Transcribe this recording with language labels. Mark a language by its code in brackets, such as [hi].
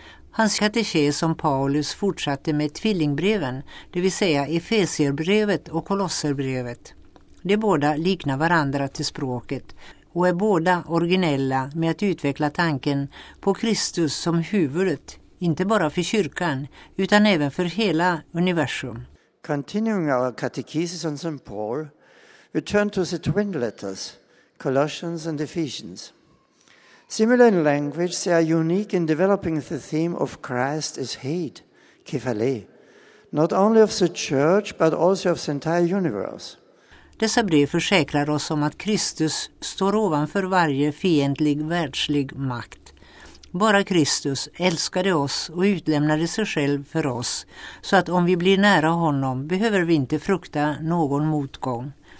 [sv] Hans katekes om Paulus fortsatte med tvillingbreven, det vill säga Efesierbrevet och Kolosserbrevet. De båda liknar varandra till språket och är båda originella med att utveckla tanken på Kristus som huvudet, inte bara för kyrkan utan även för hela universum. [en] Continuing our catechesis on St. Paul, we turn to the twin letters, Colossians and Ephesians. Similar in language, they are unique in developing the theme of Christ as head, kephale, not only of the church but also of the entire universe. [sv] Dessa brev försäkrar oss om att Kristus står ovanför varje fientlig världslig makt. Bara Kristus älskade oss och utlämnade sig själv för oss, så att om vi blir nära honom behöver vi inte frukta någon motgång.